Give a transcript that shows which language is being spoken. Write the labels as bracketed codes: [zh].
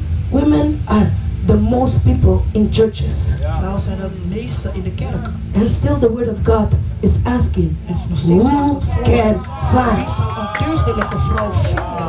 [en] Women are the most people in churches. [nl] Vrouwen zijn de meeste in de kerk. [en] And still the word of God is asking, who can find? [nl] Wie zal een deugdelijke vrouw vinden?